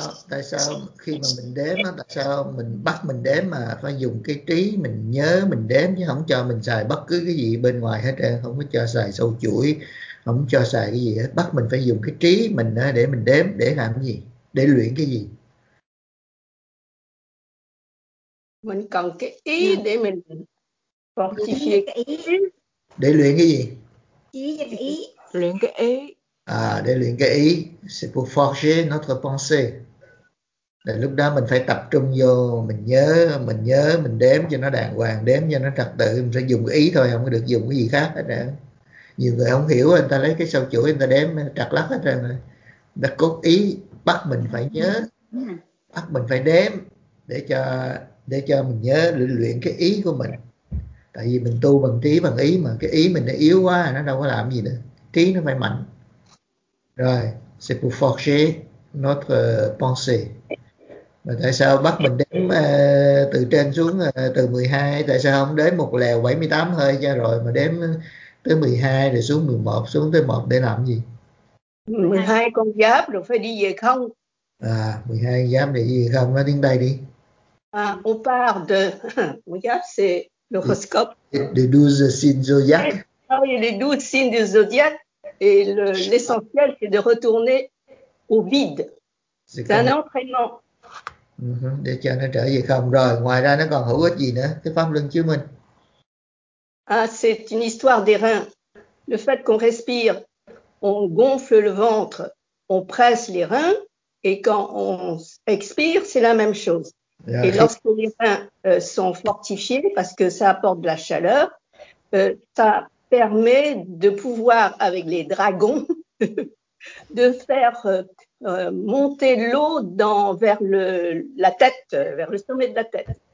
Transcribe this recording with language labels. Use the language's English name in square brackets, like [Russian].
[Vietnamese] Tại sao khi mà mình đếm á, tại sao mình bắt mình đếm mà phải dùng cái trí mình nhớ mình đếm chứ không cho mình xài bất cứ cái gì bên ngoài hết trơn, không có cho xài sâu chuỗi, không cho xài cái gì hết, bắt mình phải dùng cái trí mình để mình đếm, để làm cái gì, để luyện cái gì? Mình cần cái ý để mình fortifier cái ý. Để luyện cái gì? Ý và ý. Luyện cái ý. À, để luyện cái ý, [French] c'est pour forger notre pensée. [Vietnamese] Là lúc đó mình phải tập trung vô, mình nhớ, mình đếm cho nó đàng hoàng, đếm cho nó trật tự, mình phải dùng ý thôi, không có được dùng cái gì khác hết đó. Nhiều người không hiểu, người ta lấy cái sâu chuỗi người ta đếm trật lắc hết rồi, người ta cố ý bắt mình phải nhớ, bắt mình phải đếm để cho mình nhớ, luyện cái ý của mình. Tại vì mình tu bằng trí bằng ý mà, cái ý mình nó yếu quá nó đâu có làm gì nữa, trí nó phải mạnh. [French] Rồi, c'est pour forger notre pensée. [Vietnamese] Mà tại sao bắt mình đếm từ trên xuống từ 12, tại sao không đếm một lèo 78 hơi cho rồi mà đếm tới 12 rồi xuống 11, xuống tới 1 để làm gì? 12 con giáp rồi phải đi về không? À, 12 con giáp để đi về không, nói tiếng Tây đi. [French] À, on parle de... Mon giáp, c'est l'horoscope. Les 12 signes zodiac. Oui, les 12 signes du zodiac. Et le, l'essentiel, c'est de retourner au vide. C'est un entraînement. [Vietnamese] Để cho nó trở về không. Rồi, ngoài ra nó còn hữu ích gì nữa? Cái pháp luân chiếu mình. [French] Ah, c'est une histoire des reins. Le fait qu'on respire, on gonfle le ventre, on presse les reins, et quand on expire, c'est la même chose. Yeah. Et lorsque les reins sont fortifiés, parce que ça apporte de la chaleur, ça permet de pouvoir, avec les dragons, de faire monter l'eau dans, vers le, la tête, vers le sommet de la tête.